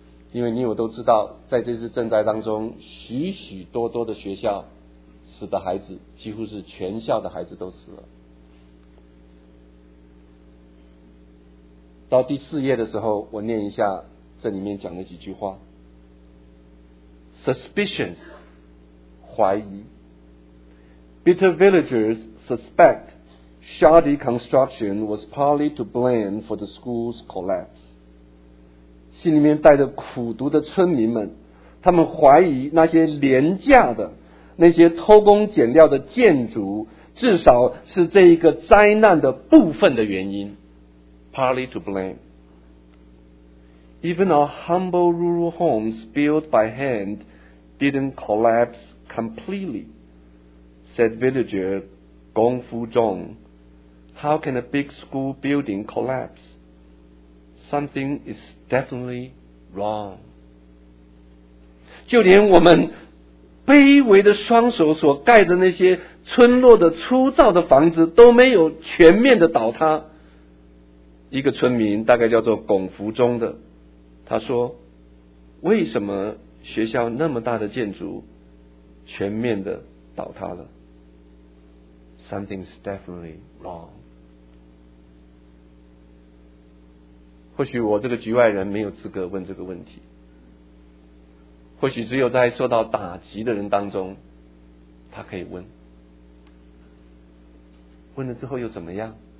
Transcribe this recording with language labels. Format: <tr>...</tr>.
<zh>因为你我都知道在这次震灾当中，许许多多的学校死的孩子，几乎是全校的孩子都死了。到第四页的时候我念一下这里面讲的几句话。</zh> <en>Suspicions,</en> <zh>怀疑。</zh> <en>Bitter villagers suspect shoddy construction was partly to blame for the school's collapse. 心里面带着苦毒的村民们，他们怀疑那些廉价的、那些偷工减料的建筑，至少是这一个灾难的部分的原因。 Partly to blame. Even our humble rural homes built by hand. Didn't collapse completely, said villager Gong Fu Zhong. How can a big school building collapse? Something is definitely wrong.</en> <zh>就连我们卑微的双手所盖的那些村落的粗糙的房子都没有全面的倒塌。一个村民大概叫做龚福忠的，他说，为什么学校那么大的建筑全面的倒塌了。</zh> <en>Something's definitely wrong.</en> <zh>或许我这个局外人没有资格问这个问题，或许只有在受到打击的人当中他可以问。问了之后又怎么样？</zh>